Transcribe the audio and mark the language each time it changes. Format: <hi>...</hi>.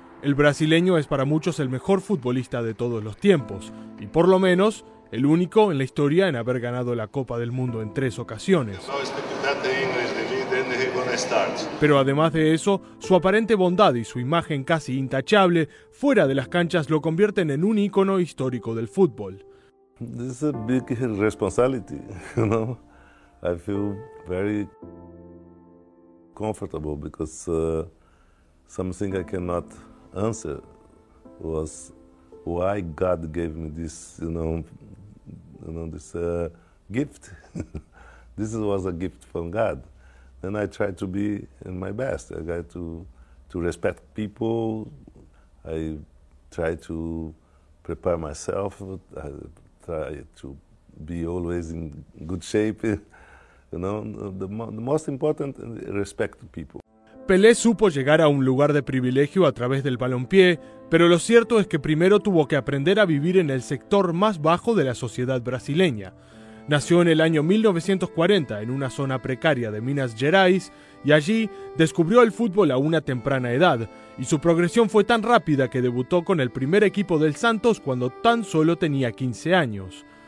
<es>El brasileño es para muchos el mejor futbolista de todos los tiempos, y por lo menos, el único en la historia en haber ganado la Copa del Mundo en tres ocasiones. Pero además de eso, su aparente bondad y su imagen casi intachable fuera de las canchas lo convierten en un ícono histórico del fútbol.</es> <en>This is a big responsibility, you know. I feel very comfortable because something I cannot answer was why God gave me this, gift. This was a gift from God. And I try to be in my best. I try to respect people. I try to prepare myself. I try to be always in good shape. You know, the most important is respect people.</en> <es>Pelé supo llegar a un lugar de privilegio a través del balompié, pero lo cierto es que primero tuvo que aprender a vivir en el sector más bajo de la sociedad brasileña. Nació en el año 1940 en una zona precaria de Minas Gerais y allí descubrió el fútbol a una temprana edad, y su progresión fue tan rápida que debutó con el primer equipo del Santos cuando tan solo tenía 15 años.</es>